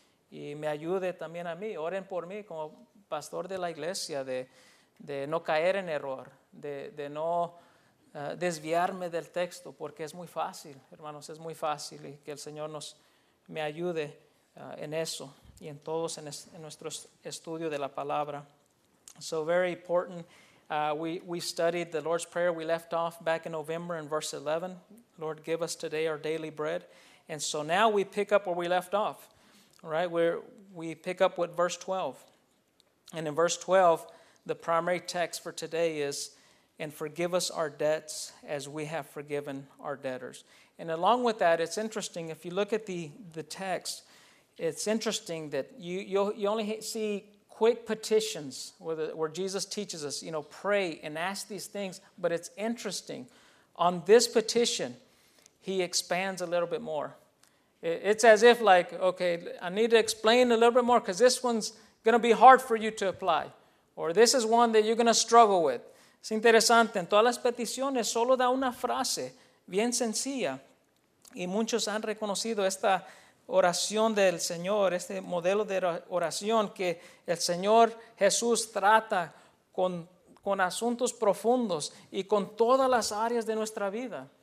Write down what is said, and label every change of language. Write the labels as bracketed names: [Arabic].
[Spanish] Y me ayude también a mí, oren por mí como pastor de la iglesia, de no caer en error, de no desviarme del texto, porque es muy fácil, hermanos, es muy fácil, y que el Señor me ayude en eso, y en todos en nuestro estudio de la palabra. [English] So very important, we studied the Lord's Prayer. We left off back in November in verse 11, Lord, give us today our daily bread. And so now we pick up where we left off, right? We pick up with verse 12. And in verse 12, the primary text for today is, and forgive us our debts as we have forgiven our debtors. And along with that, it's interesting, if you look at the text, it's interesting that you only see quick petitions where Jesus teaches us, you know, pray and ask these things. But it's interesting, on this petition, he expands a little bit more. It's as if like, okay, I need to explain a little bit more because this one's going to be hard for you to apply. Or this is one that you're going to struggle with. [Spanish] Es interesante. En todas las peticiones solo da una frase bien sencilla. Y muchos han reconocido esta oración del Señor, este modelo de oración que el Señor Jesús trata con asuntos profundos y con todas las áreas de nuestra vida.